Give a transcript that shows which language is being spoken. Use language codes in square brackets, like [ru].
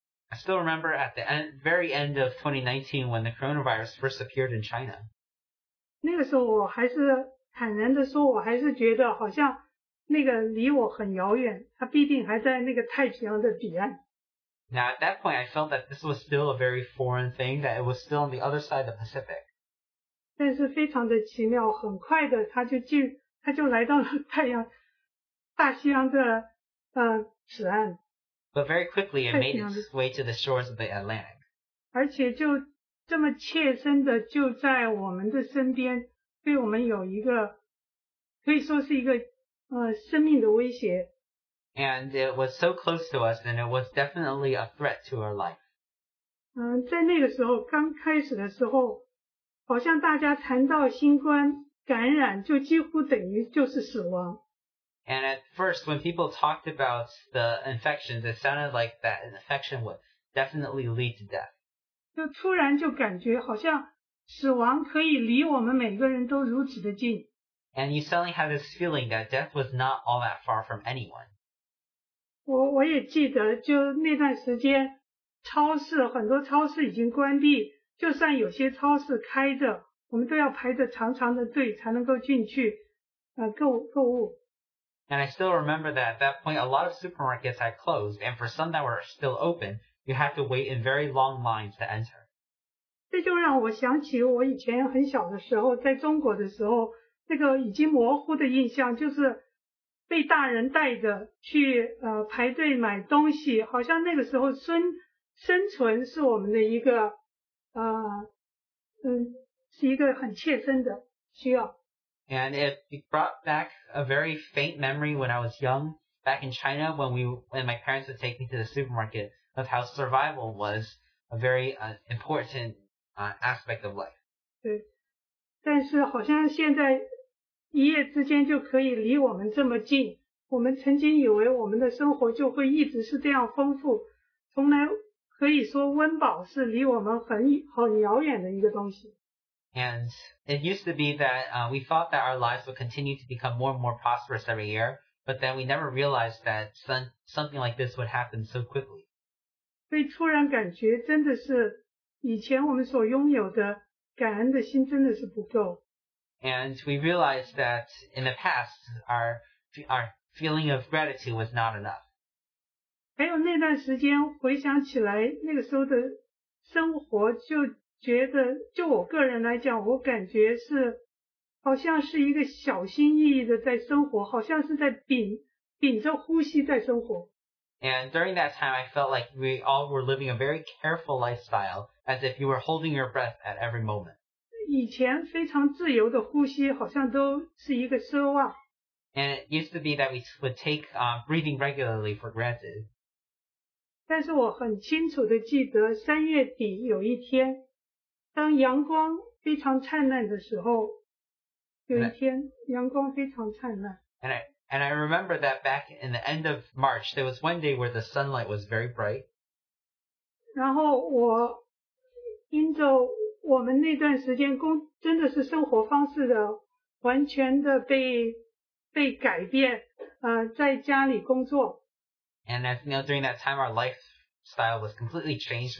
[en] I still remember at the end, very end of 2019 when the coronavirus first appeared in China. [zh] 那个时候我还是坦然的说，我还是觉得好像那个离我很遥远，它必定还在那个太平洋的彼岸。 [en] Now at that point, I felt that this was still a very foreign thing, that it was still on the other side of the Pacific. [zh] 但是非常的奇妙，很快的它就来到了太阳，大西洋的此岸。 [en] But very quickly, it made its way to the shores of the Atlantic. [zh] 而且就这么切身的就在我们的身边，对我们有一个可以说是一个生命的威胁。 [en] And it was so close to us, and it was definitely a threat to our life. [zh] 在那个时候，刚开始的时候，好像大家谈到新冠感染，就几乎等于就是死亡。 [en] And at first, when people talked about the infections, it sounded like that an infection would definitely lead to death. [zh] 就突然就感觉好像死亡可以离我们每个人都如此的近。 [en] And you suddenly had this feeling that death was not all that far from anyone. [zh] 我也记得就那段时间超市很多超市已经关闭，就算有些超市开着，我们都要排着长长的队才能够进去购物。 [en] And I still remember that at that point a lot of supermarkets had closed, and for some that were still open, you had to wait in very long lines to enter. [zh] 这就让我想起我以前很小的时候在中国的时候，那个已经模糊的印象就是被大人带着去排队买东西，好像那个时候生存是我们的一个很切身的需要。 [en] And it brought back a very faint memory when I was young, back in China, when my parents would take me to the supermarket, of how survival was a very important aspect of life. [zh] 对，但是好像现在一夜之间就可以离我们这么近，我们曾经以为我们的生活就会一直是这样丰富，从来可以说温饱是离我们很遥远的一个东西。 [en] And it used to be that we thought that our lives would continue to become more and more prosperous every year, but then we never realized that something like this would happen so quickly. [zh] 所以突然感觉真的是以前我们所拥有的感恩的心真的是不够。 [en] And we realized that in the past, our feeling of gratitude was not enough. [zh] 还有那段时间回想起来，那个时候的生活就觉得就我个人来讲，我感觉是好像是一个小心翼翼的在生活，好像是在屏着呼吸在生活。 [en] And during that time, I felt like we all were living a very careful lifestyle, as if you were holding your breath at every moment. [zh] 以前非常自由的呼吸好像都是一个奢望。 [en] And it used to be that we would take breathing regularly for granted. [zh] 但是我很清楚的记得三月底有一天，当阳光非常灿烂的时候，有一天阳光非常灿烂。 [en] And I remember that back in the end of March, there was one day where the sunlight was very bright. [zh] 然后我因着我们那段时间真的是生活方式的完全的被改变，在家里工作。 [en] And as you know, during that time, our lifestyle was completely changed.